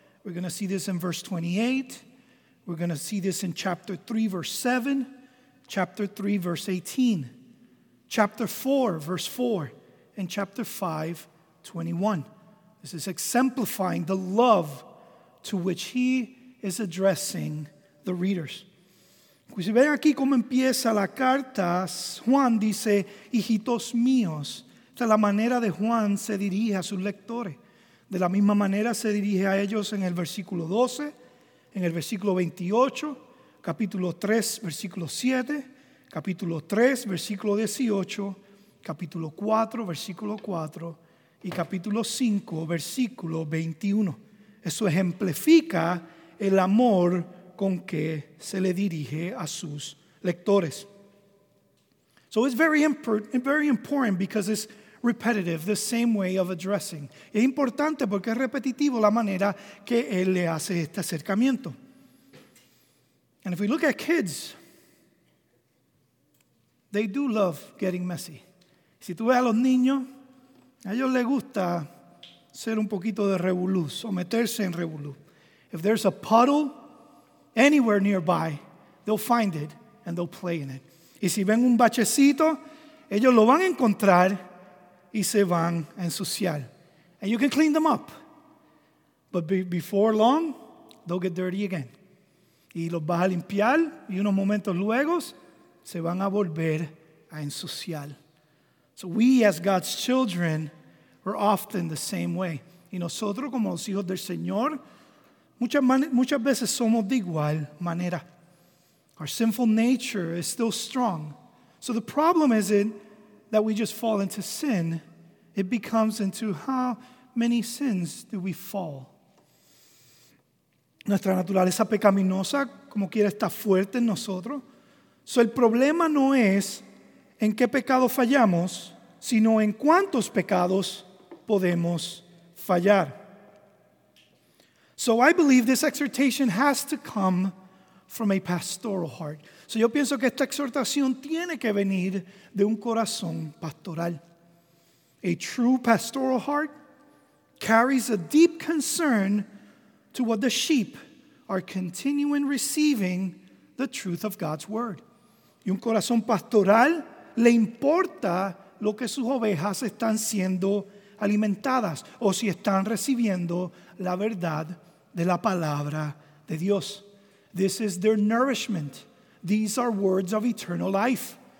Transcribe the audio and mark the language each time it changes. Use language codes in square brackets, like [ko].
[en] We're going to see this in verse 28. We're going to see this in chapter 3, verse 7, chapter 3, verse 18, chapter 4, verse 4, and chapter 5, 21. This is exemplifying the love to which he is addressing the readers. [es] Pues si ven aquí cómo empieza la carta, Juan dice, hijitos míos, esta es la manera de Juan se dirige a sus lectores. De la misma manera se dirige a ellos en el versículo 12, en el versículo 28, capítulo 3, versículo 7, capítulo 3, versículo 18, capítulo 4, versículo 4 y capítulo 5, versículo 21. Eso ejemplifica el amor con que se le dirige a sus lectores. [en] So it's very important because it's repetitive, the same way of addressing. [es] Es importante porque es repetitivo la manera que él le hace este acercamiento. [en] And if we look at kids, they do love getting messy. [es] Si tú ves a los niños, a ellos les gusta ser un poquito de revolú, o meterse en revolú. [en] If there's a puddle anywhere nearby, they'll find it and they'll play in it. [es] Y si ven un bachecito, ellos lo van a encontrar y se van a ensuciar. [en] And you can clean them up. But before long, they'll get dirty again. [es] Y los vas a limpiar y unos momentos luego se van a volver a ensuciar. [en] So we as God's children are often the same way. [es] Y nosotros como los hijos del Señor, muchas veces somos de igual manera. [en] Our sinful nature is still strong. So the problem isn't that we just fall into sin. It becomes into how many sins do we fall. [es] Nuestra naturaleza pecaminosa, como quiera, está fuerte en nosotros. So el problema no es en qué pecado fallamos, sino en cuántos pecados podemos fallar. [en] So I believe this exhortation has to come from a pastoral heart. [es] So yo pienso que esta exhortación tiene que venir de un corazón pastoral. [en] A true pastoral heart carries a deep concern to what the sheep are continuing receiving the truth of God's word. [es] Y un corazón pastoral le importa lo que sus ovejas están siendo alimentadas o si están recibiendo la verdad de la palabra de Dios. [en] This is their nourishment. These are words of eternal life.